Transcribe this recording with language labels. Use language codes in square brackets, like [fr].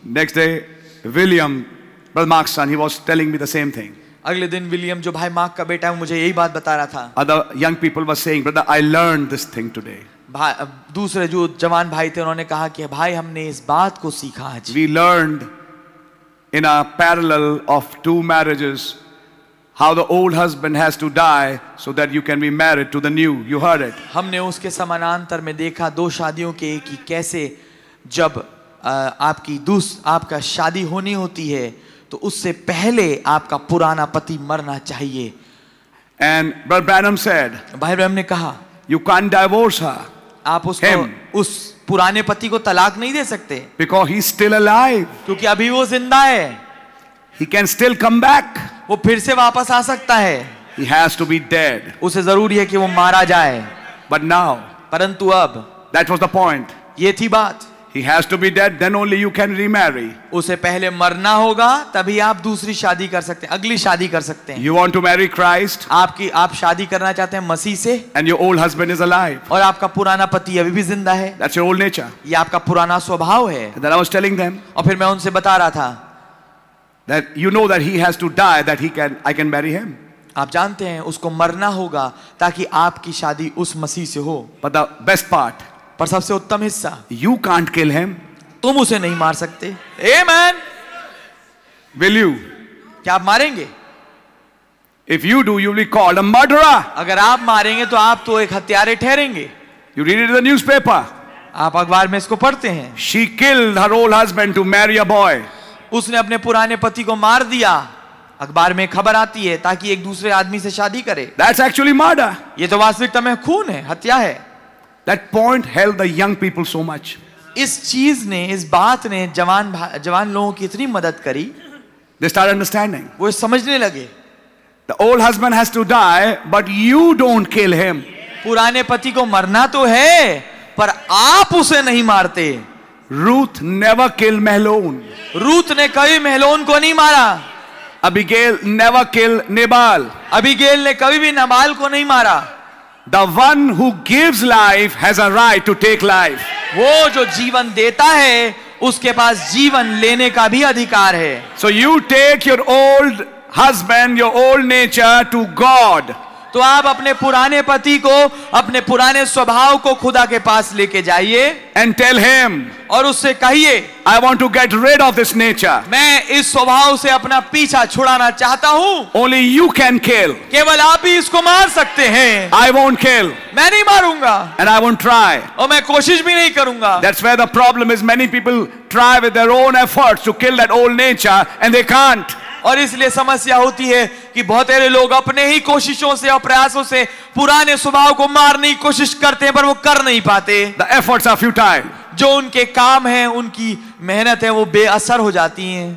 [en] Next day, William, brother Mark's son, he was telling me the same thing. [hi] अगले दिन William, जो भाई mark का बेटा है, मुझे यही बात बता रहा था. [en] Other young people were saying, brother, I learned this thing today. [hi] दूसरे जो जवान भाई थे, उन्होंने कहा कि भाई हमने इस बात को सीखा आज. [en] We learned. In a parallel of two marriages, how the old husband has to die so that you can be married to the new. You heard it. [hi] हमने उसके समानांतर में देखा दो शादियों के कि कैसे जब आपकी दूस आपका शादी होनी होती है तो उससे पहले आपका पुराना पति मरना चाहिए. [en] And Brother Branham said. [hi] भाई ब्रैनम ने कहा. [en] You can't divorce her. [hi] आप उसको him. उस पुराने पति को तलाक नहीं दे सकते. [en] Because he's still alive. [hi] क्योंकि अभी वो जिंदा है. [en] He can still come back. [hi] वो फिर से वापस आ सकता है. [en] He has to be dead. [hi] उसे जरूरी है कि वो मारा जाए. [en] But now. [hi] परंतु अब. [en] That was the point. [hi] ये थी बात. [en] He has to be dead, then only you can remarry. [hi] उसे पहले मरना होगा, तभी आप दूसरी शादी कर सकते हैं, अगली शादी कर सकते हैं. [en] You want to marry Christ? [hi] आपकी आप शादी करना चाहते हैं मसीह से? [en] And your old husband is alive. [hi] और आपका पुराना पति अभी भी जिंदा है? [en] That's your old nature. [hi] ये आपका पुराना स्वभाव है. [en] And then I was telling them. [hi] और फिर मैं उनसे बता रहा था. [en] That you know that he has to die, that he can, I can marry him. [hi] आप जानते हैं उसको मरना होगा ताकि आपकी शादी उस मसीह से हो. [en] But the best part. [hi] पर सबसे उत्तम हिस्सा. [en] You can't kill him. [hi] तुम उसे नहीं मार सकते. आमेन. [en] Will you? [hi] क्या आप मारेंगे? [en] If you do you will be called a murderer. [hi] अगर आप मारेंगे तो आप तो एक हत्यारे ठहरेंगे. [en] You read it in the newspaper. [hi] आप अखबार में इसको पढ़ते हैं. [en] She killed her old husband to marry a boy. [hi] उसने अपने पुराने पति को मार दिया. अखबार में खबर आती है ताकि एक दूसरे आदमी से शादी करे. [en] That's actually murder. [hi] ये तो वास्तविकता में खून है, हत्या है. [en] That point held the young people so much. [hi] इस चीज ने, इस बात ने जवान जवान लोगों की इतनी मदद करी. [en] They start understanding. [hi] वो समझने लगे. [en] The old husband has to die, but you don't kill him. [hi] पुराने पति को मरना तो है, पर आप उसे नहीं मारते. [en] Ruth never killed Mahlon. [hi] Ruth ने कभी महलोन को नहीं मारा. [en] Abigail never killed Nabal. [hi] Abigail ने कभी भी नबाल को नहीं मारा. [en] The one who gives life has a right to take life. [hi] वो जो जीवन देता है, उसके पास जीवन लेने का भी अधिकार है. [en] So you take your old husband, your old nature to God. [hi] तो आप अपने पुराने पति को, अपने पुराने स्वभाव को खुदा के पास लेके जाइए. [en] And tell him. [hi] और उससे कहिए. [en] I want to get rid of this nature. [hi] मैं इस स्वभाव से अपना पीछा छुड़ाना चाहता हूँ. [en] Only you can kill. [hi] केवल आप ही इसको मार सकते हैं. [en] I won't kill. [hi] मैं नहीं मारूंगा. [en] And I won't try. [hi] और मैं कोशिश भी नहीं करूंगा. [en] That's where the problem is. Many people try with their own efforts to kill that old nature and they can't. [hi] और इसलिए समस्या होती है कि बहुत सारे लोग अपने ही कोशिशों से और प्रयासों से पुराने स्वभाव को मारने की कोशिश करते हैं, पर वो कर नहीं पाते. [en] The efforts are futile. [hi] जो उनके काम है, उनकी मेहनत है, वो बेअसर हो जाती हैं.